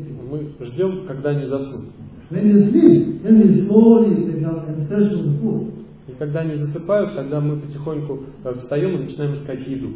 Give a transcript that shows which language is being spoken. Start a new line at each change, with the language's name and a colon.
Russian: Мы ждем, когда они заснут.
English: When they sleep, then we slowly become and search for the food.
Russian: И когда они засыпают, тогда мы потихоньку встаем и начинаем искать еду.